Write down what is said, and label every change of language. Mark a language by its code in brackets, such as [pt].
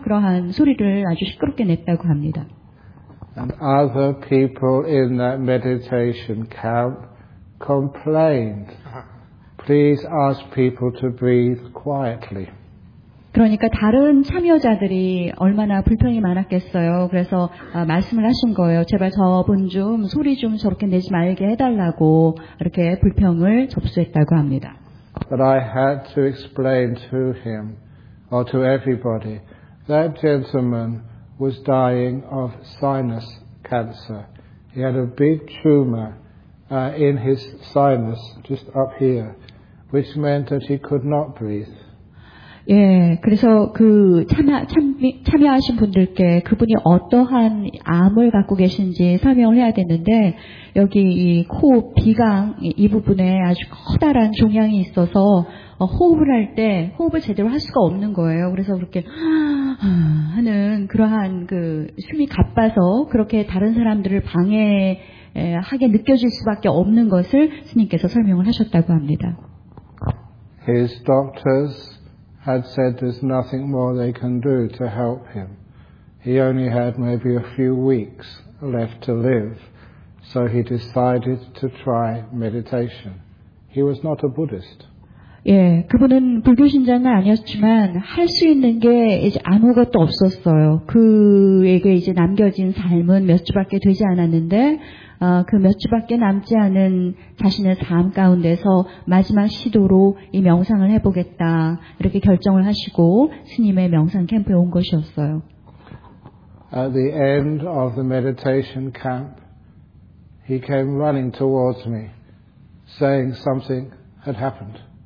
[ko] 그러한 소리를 아주 시끄럽게 냈다고 합니다. [en] And other people in that meditation camp complained. Please ask people to breathe quietly. [ko] 그러니까 다른 참여자들이 얼마나 불평이 많았겠어요. 그래서 말씀을 하신 거예요. 제발 저분 좀 소리 좀 저렇게 내지 말게 해달라고 이렇게 불평을 접수했다고 합니다. [en] But I had to explain to him or to everybody that gentleman was dying of sinus cancer. He had a big tumor in his sinus just up here. which meant that he could not breathe. [ko] 예, 그래서 그 참여하신 분들께 그분이 어떠한 암을 갖고 계신지 설명을 해야 되는데 여기 이 코 비강 이 부분에 아주 커다란 종양이 있어서 호흡을 할 때 호흡을 제대로 할 수가 없는 거예요. 그래서 그렇게 하는 그러한 그 숨이 가빠서 그렇게 다른 사람들을 방해하게 느껴질 수밖에 없는 것을 스님께서 설명을 하셨다고 합니다. [en] His doctors had said there's nothing more they can do to help him. He only had maybe a few weeks left to live, so he decided to try meditation. He was not a Buddhist. [ko] 예, 그분은 불교 신자는 아니었지만 할 수 있는 게 이제 아무것도 없었어요. 그에게 이제 남겨진 삶은 몇 주밖에 되지 않았는데 그 몇 주밖에 남지 않은 자신의 삶 가운데서 마지막 시도로 이 명상을 해보겠다 이렇게 결정을 하시고 스님의 명상 캠프에 온 것이었어요. [en] At the end of the meditation camp, he came running towards me, saying something had happened.